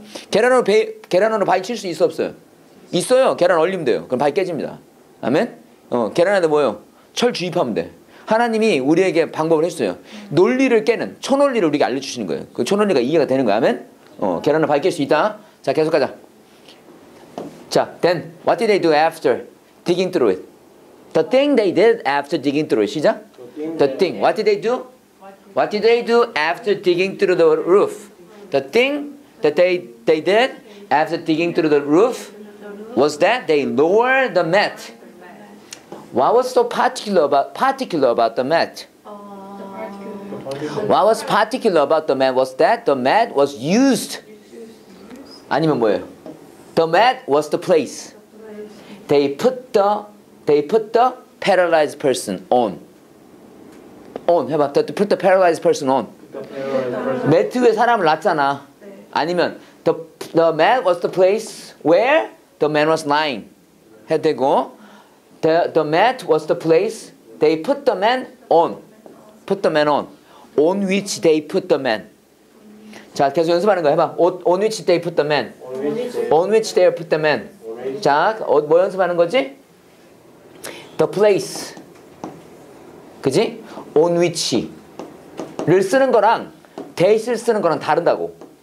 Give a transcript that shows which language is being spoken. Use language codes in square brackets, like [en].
[ko] 계란으로 바위 칠 수 있어 없어요? 있어요. 계란 얼리면 돼요. 그럼 바위 깨집니다. 아멘. 계란에다 뭐요? 철 주입하면 돼. 하나님이 우리에게 방법을 했어요. 논리를 깨는 초논리를 우리에게 알려주시는 거예요. 그 초논리가 이해가 되는 거야. 아멘. 계란을 밝힐 수 있다. 자, 계속 가자. [en] 자, then what did they do after digging through it? The thing they did after digging through it. [ko] 시작. [en] The thing. What did they do? What did they do after digging through the roof? The thing that they did after digging through the roof was that they lowered the mat. What was so particular about the mat? What was particular about the mat was that the mat was used. [ko] 아니면 뭐예요? [en] The mat was the place. They put the paralyzed person on. On. [ko] 해봐. [en] Put the paralyzed person on. [ko] Mat 위에 사람을 놨잖아. [en] 아니면 the mat was the place where the man was lying. [ko] 해야 되고 [en] the mat was the place they put the man on. Put the man on. On which they put the man. [ko] 자, 계속 연습하는 거 해봐. [en] On which they put the man. On which they put the man. [ko] 자, 뭐 연습하는 거지? [en] The place. [ko] 그지? On which를 쓰는 거랑 they를 쓰는 거랑 다르다고.